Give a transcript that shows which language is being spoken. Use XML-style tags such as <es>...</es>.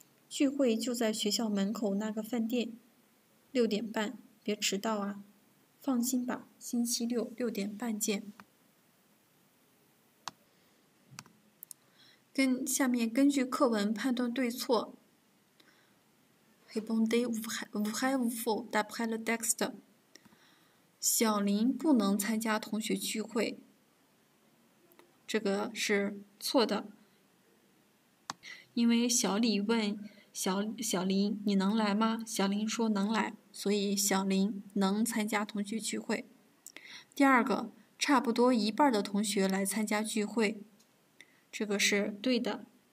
<zh>聚会就在学校门口那个饭店，6:30，别迟到啊。放心吧，星期六6:30见。下面根据课文判断对错。</zh> <fr>Répondez vrai ou faux d'après le texte.</fr> <zh>小林不能参加同学聚会。这个是错的。因为小李问小林，你能来吗？小林说能来，所以小林能参加同学聚会。第二个，差不多一半的同学来参加聚会，这个是对的。</zh>